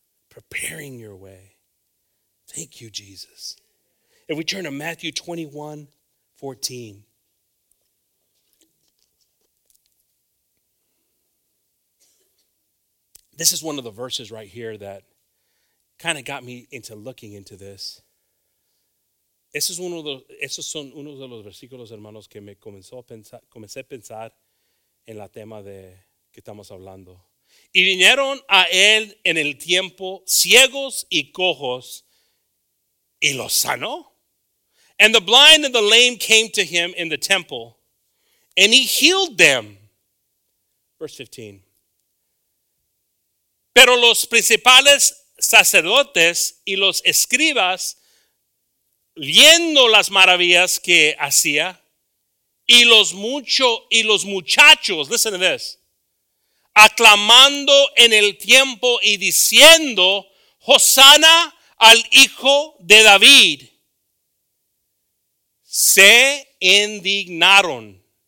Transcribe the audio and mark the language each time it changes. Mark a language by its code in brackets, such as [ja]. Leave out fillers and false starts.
[en] Preparing your way. Thank you, Jesus. If we turn to Matthew 21:14. This is one of the verses right here that kind of got me into looking into this. [es] Esos son unos de los versículos, hermanos, que me comencé a pensar en la tema de que estamos hablando. Y vinieron a él en el tiempo ciegos y cojos, y los sanó. [en] And the blind and the lame came to him in the temple, and he healed them. Verse 15. [es] Pero los principales sacerdotes y los escribas, viendo las maravillas que hacía, y los muchachos, [en] listen to this, [es] aclamando en el tiempo y diciendo, Hosanna al Hijo de David, se indignaron.